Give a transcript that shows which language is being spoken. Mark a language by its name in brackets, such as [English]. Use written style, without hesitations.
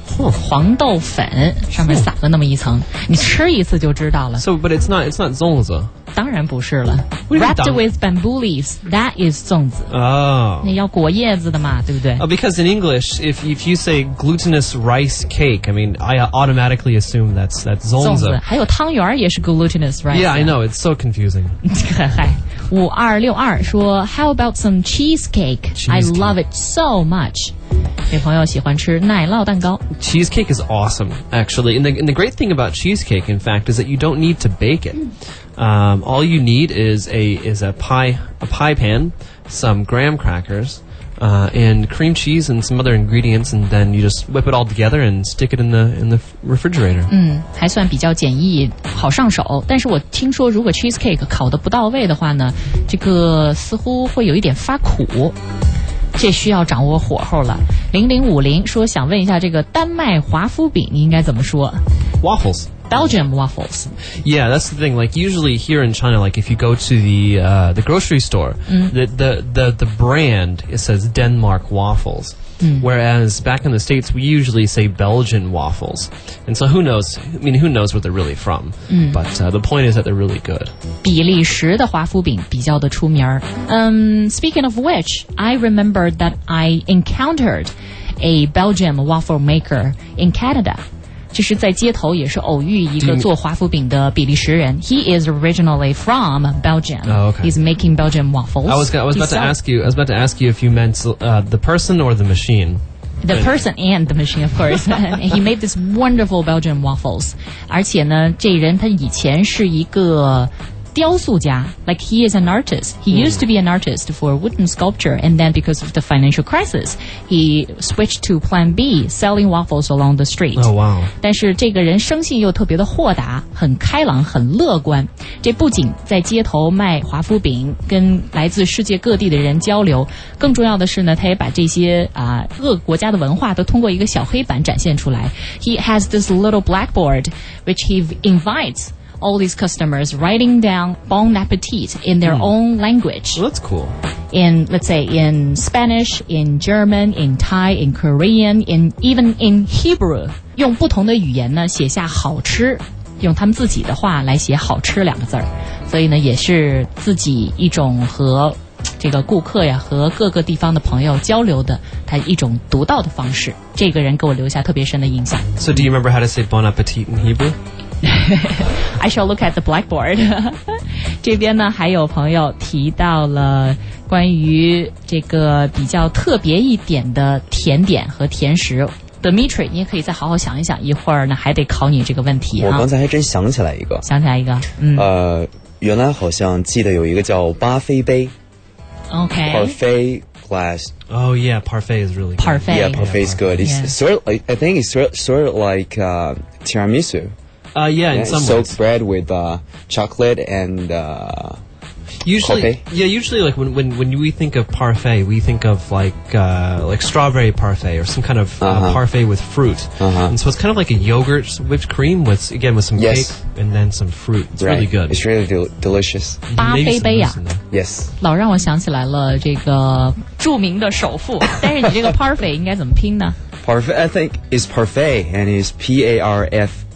[Chinese] 黄豆粉上面撒了那么一层，你吃一次就知道了。 [English] So, but it's not 粽子。 [Chinese] 当然不是了。 [English] Wrapped with bamboo leaves, that is 粽子。 Oh. [Chinese] 那要裹叶子的嘛，对不对？ [English] Because in English, if you say glutinous rice cake, I mean, I automatically assume that's 粽 [Chinese] 子。还有汤圆也是 [English] glutinous rice. Yeah, I know, it's so confusing. [Chinese] 5262说 [English] How about some cheesecake? Cheesecake? I love it so much. [Chinese] 女朋友喜欢吃奶酪蛋糕。 [English] Cheesecake is awesome, actually. And the great thing about cheesecake, in fact, is that you don't need to bake it. All you need is a pie pan, some graham crackers, and cream cheese and some other ingredients, and then you just whip it all together and stick it in the refrigerator. [Chinese] 还算比较简易，好上手。但是我听说如果 cheesecake 烤得不到位的话呢，这个似乎会有一点发苦。这需要掌握火候了。 0050说想问一下这个丹麦华夫饼应该怎么说 [English] ？Waffles, Belgium waffles. Yeah, that's the thing. Like usually here in China, like if you go to the grocery store,、the brand it says Denmark waffles.、Whereas back in the States, we usually say Belgian waffles. And so who knows? I mean, who knows where they're really from?、But the point is that they're really good. [Chinese] 比利时的华夫饼比较的出名儿。 [English] Speaking of which, I remember that I encountered a Belgian waffle maker in Canada. [Chinese] 就是在街头也是偶遇一个做华夫饼的比利时人。 [English] He is originally from Belgium.、 Oh, okay. He's making Belgian waffles. I was about to ask you if you meant、the person or the machine. The person and the machine, of course. He made this wonderful Belgian waffles. [Chinese] 而且呢，这人他以前是一个雕塑家。 [English] Like he is an artist. He used to be an artist for wooden sculpture. And then because of the financial crisis, he switched to plan B, selling waffles along the street. Oh, wow. [Chinese] 但是这个人生性又特别的豁达，很开朗，很乐观。这不仅在街头卖华夫饼，跟来自世界各地的人交流，更重要的是呢，他也把这些啊各个国家的文化都通过一个小黑板展现出来。 [English] He has this little blackboard, which he invites. All these customers writing down bon appetit in their own language. Well, that's cool. In, let's say, in Spanish, in German, in Thai, in Korean, in even in Hebrew. [Chinese] 用不同的语言呢写下好吃，用他们自己的话来写好吃两个字儿。所以呢，也是自己一种和这个顾客呀和各个地方的朋友交流的他一种独到的方式。这个人给我留下特别深的印象。 [English] So do you remember how to say bon appetit in Hebrew? I shall look at the blackboard. [Chinese] 这边呢还有朋友提到了关于这个比较特别一点的甜点和甜食。 Dimitri, 你也可以再好好想一想，一会儿呢还得考你这个问题。我刚才还真想起来一个。想起来一个。原来好像记得有一个叫巴菲杯。 [English] Okay. Parfait glass. Oh yeah, parfait is really good. Parfait. Yeah, parfait is good. It's sort of, I think it's sort of like tiramisu. In some soaked ways. Soaked bread with chocolate and usually, coffee. Yeah, usually like when we think of parfait, we think of like strawberry parfait or some kind of parfait with fruit. Uh-huh. And so it's kind of like a yogurt whipped cream with, again, with some cake and then some fruit. It's really good. It's really delicious. [Chinese] 巴菲杯啊 [English] Yes. [Chinese] 老让我想起来了这个著名的首富。但是你这个 parfait 应该怎么拼呢 [English] Parfait, I think, is parfait and is P-A-R-F.